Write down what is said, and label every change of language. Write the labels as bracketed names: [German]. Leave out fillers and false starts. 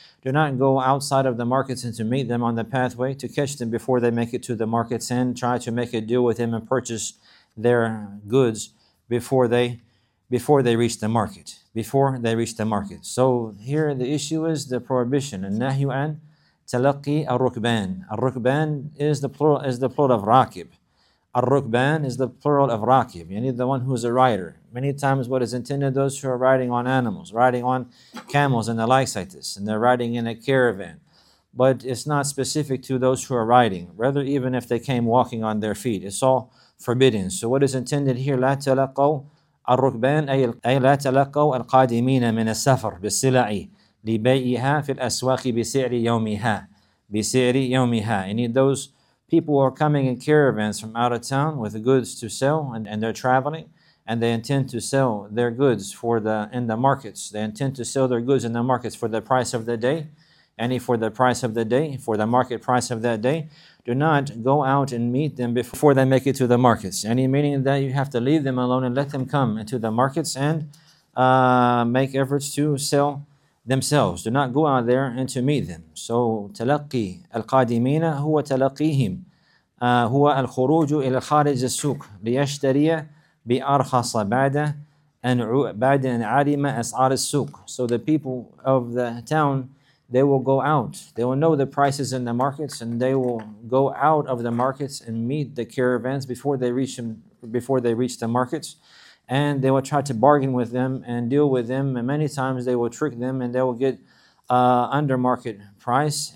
[English] Do not go outside of the markets and to meet them on the pathway, to catch them before they make it to the markets and try to make a deal with them and purchase their goods before they reach the market. So here the issue is the prohibition. [Arabic] النهي عن تلقي الركبان. الركبان [English] is the plural of [Arabic] راكب. [English] Ar-Rukban is the plural of Rakib, meaning the one who is a rider. Many times what is intended, those who are riding on animals, riding on camels and the likes like this, and they're riding in a caravan. But it's not specific to those who are riding, rather even if they came walking on their feet. It's all forbidden. So what is intended here, [Arabic] لا تلقوا الركبان أي لا تلقوا القادمين من السفر بالسلع لبيعها في الأسواق بسعر يومها بسعر يومها. [English] You need those people who are coming in caravans from out of town with goods to sell, and they're traveling, and they intend to sell their goods for the in the markets. They intend to sell their goods in the markets for the price of the day, any for the price of the day, for the market price of that day. Do not go out and meet them before they make it to the markets. Any meaning that you have to leave them alone and let them come into the markets and make efforts to sell themselves. Do not go out there and to meet them. [Arabic] So, تلقي القادمين هو تلقيهم هو الخروج إلى خارج السوق ليشتري بأرخص بعد أن علم أسعار السوق. [English] So the people of the town, they will go out. They will know the prices in the markets, and they will go out of the markets and meet the caravans before they reach them, before they reach the markets. And they will try to bargain with them and deal with them. And many times they will trick them, and they will get under market price.